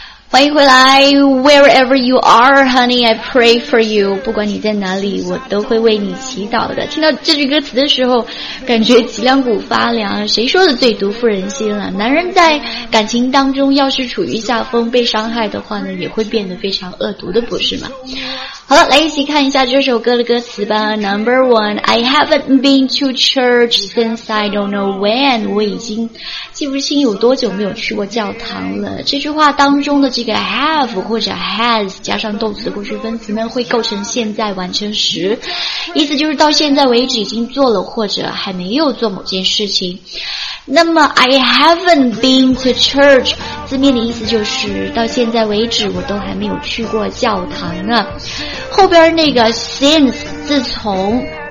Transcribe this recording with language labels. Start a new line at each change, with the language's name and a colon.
Chinese: 欢迎回来
English: Wherever you are, honey, I pray for you.
Chinese: 不管你在哪里，我都会为你祈祷的。听到这句歌词的时候，感觉脊梁骨发凉，谁说的最毒妇人心了？男人在感情当中要是处于下风被伤害的话呢，也会变得非常恶毒的，不是吗？好了，来一起看一下这首歌的歌词吧。
English: Number one, I haven't been to church since I don't know when.
Chinese: 我已经记不清有多久没有去过教堂了。这句话当中的这个 have 或者 has 加上动词过去分词呢，会构成现在完成时，意思就是到现在为止已经做了或者还没有做某件事情。那么
English: I haven't been to church
Chinese: 字面的意思就是到现在为止我都还没有去过教堂呢。后边那个 since 自从